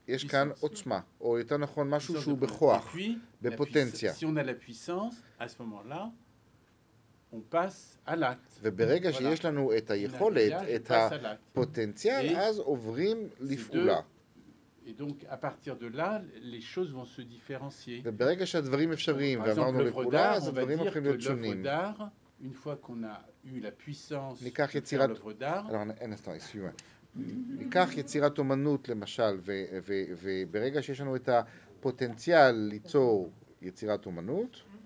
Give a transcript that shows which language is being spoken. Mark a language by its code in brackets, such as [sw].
[he] יש כאן עוצמה, או יותר נכון משהו שהוא בכוח, בפוטנציה. [fr] Si on a la puissance, à ce moment-là, on passe à l'acte. [he] וברגע שיש לנו את היכולת, את הפוטנציאל, אז עוברים לפעולה. [fr] Et donc, à partir de là, les choses vont se différencier. [he] וברגע שהדברים אפשריים, ואמרנו לפעולה, אז הדברים הולכים להיות שונים. [fr] Une fois qu'on a eu la puissance de faire l'œuvre d'art... Alors, un instant, excusez-moi. [he] ניקח יצירת אומנות למשל, וברגע שיש לנו את הפוטנציאל ליצור יצירת אומנות.